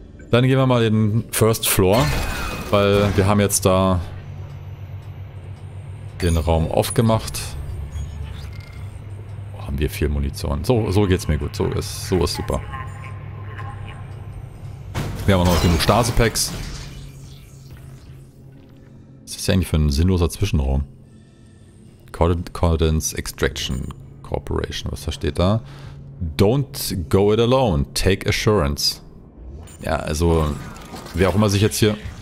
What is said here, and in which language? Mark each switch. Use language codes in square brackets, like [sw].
[de] Dann gehen wir mal in den First Floor. Weil wir haben jetzt da den Raum aufgemacht. Oh, haben wir viel Munition. So geht's mir gut. So ist super. Wir haben auch noch genug Stasepacks. Was ist das eigentlich für ein sinnloser Zwischenraum? Cordance Extraction Corporation. Was da steht da? [en] Don't go it alone. Take assurance. [de] Ja, also wer auch immer sich jetzt hier...